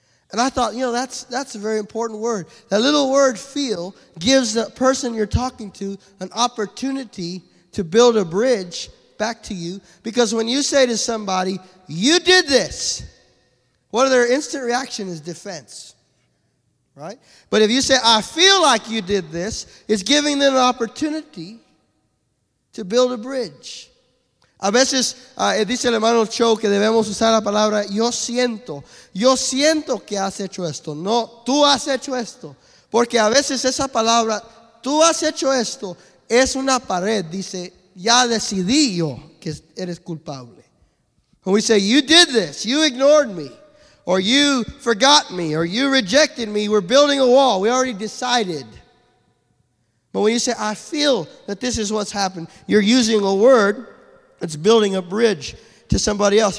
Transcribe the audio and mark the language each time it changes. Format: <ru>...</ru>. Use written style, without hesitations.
<en>And I thought, you know, that's a very important word. That little word feel gives the person you're talking to an opportunity to build a bridge back to you. Because when you say to somebody, you did this, one of their instant reaction is defense, right? But if you say, I feel like you did this, it's giving them an opportunity to build a bridge.</en> <es>A veces, dice el hermano Cho, que debemos usar la palabra, yo siento que has hecho esto. No, tú has hecho esto. Porque a veces esa palabra, tú has hecho esto, es una pared. Dice, ya decidí yo que eres culpable.</es> <en>When we say, you did this, you ignored me, or you forgot me, or you rejected me, we're building a wall. We already decided. But when you say, I feel that this is what's happened, you're using a word that's building a bridge to somebody else.</en>